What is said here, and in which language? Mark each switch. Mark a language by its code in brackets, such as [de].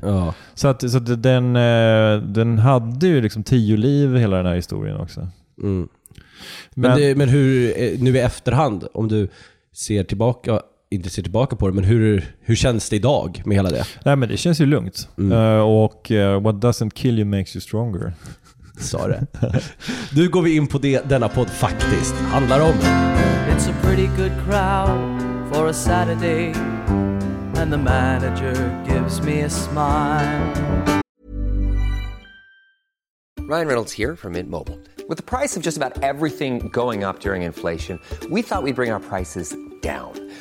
[sv] Ja. Så att den hade ju liksom 10 liv hela den här historien också. Mm. Men hur nu i efterhand, om du ser tillbaka, inte ser tillbaka på det, men hur känns det idag med hela det? Nej, men det känns ju lugnt. Mm. Och [en] what doesn't kill you makes you stronger. [sv] Sa det. Nu går vi in på det denna podd faktiskt handlar om. [en] It's a pretty good crowd for a Saturday and the manager gives me a smile. Ryan Reynolds here from Mint Mobile. With the price of just about everything going up during inflation, we thought we'd bring our prices down.